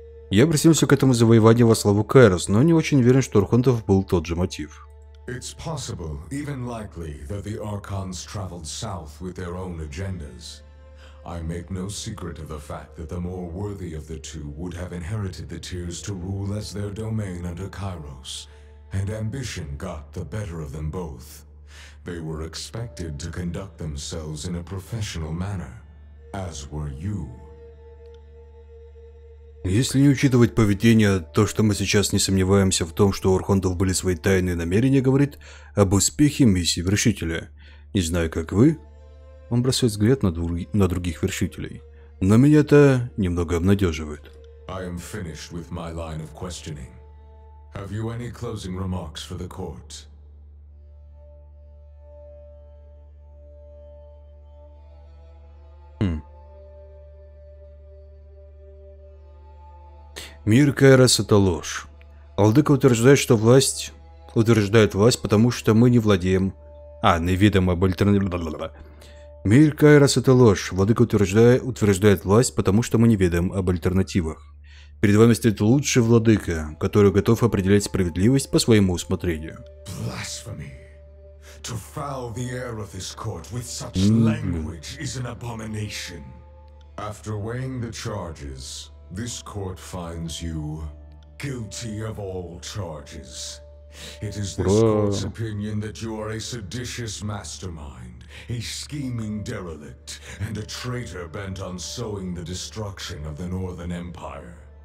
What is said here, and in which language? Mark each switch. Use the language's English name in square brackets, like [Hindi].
[Russian] Я обратился к этому завоеванию во славу Кайрос, но не очень уверен, что у Архонтов был тот же мотив. [English] It's possible, even likely, that the Archons traveled south with their own agendas. I make no secret of the fact that the more worthy of the two would have inherited the Tears to rule as their domain under Kairos, and ambition got the better of them both. They were expected to conduct themselves in a professional manner, as were you. [Russian] Если не учитывать поведение, то, что мы сейчас не сомневаемся в том, что у Архонтов были свои тайные намерения, говорит об успехе миссии Вершителя. Не знаю, как вы... Он бросает взгляд на других Вершителей. Но меня это немного обнадеживает. [English] I am finished with my line of questioning. Have you any closing remarks for the court? [Russian] Мир Кайрос — это ложь. Алдыка утверждает, что власть... Утверждает власть, потому что мы не владеем... А, неведомо об альтернативе... Мир Кайрос — это ложь. Владыка утверждает власть, потому что мы не ведаем об альтернативах. Перед вами стоит лучший владыка, который готов определять справедливость по своему усмотрению. [English] Blasphemy. To foul the air of this court with such language is an abomination. After weighing the charges... This court finds you guilty of all charges. It is this court's opinion that you are a seditious mastermind, a scheming derelict, and a traitor bent on sowing the destruction of the Northern Empire.